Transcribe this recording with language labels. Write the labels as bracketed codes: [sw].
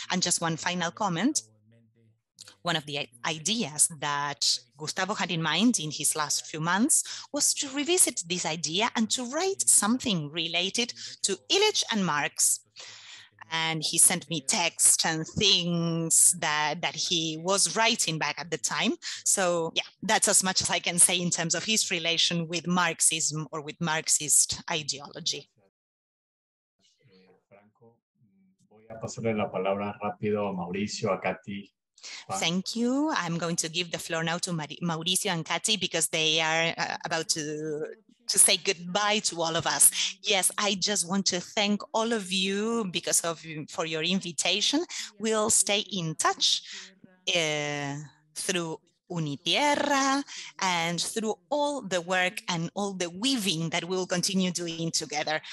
[en] And just one final comment. One of the ideas that Gustavo had in mind in his last few months was to revisit this idea and to write something related to Illich and Marx. And he sent me text and things that he was writing back at the time. So yeah, that's as much as I can say in terms of his relation with Marxism or with Marxist ideology. [es] Franco, voy a pasarle la palabra rápido a Mauricio, a Katy. [en] Thank you. I'm going to give the floor now to Mauricio and Katy because they are about to say goodbye to all of us. Yes, I just want to thank all of you for your invitation. We'll stay in touch through Unitierra and through all the work and all the weaving that we'll continue doing together.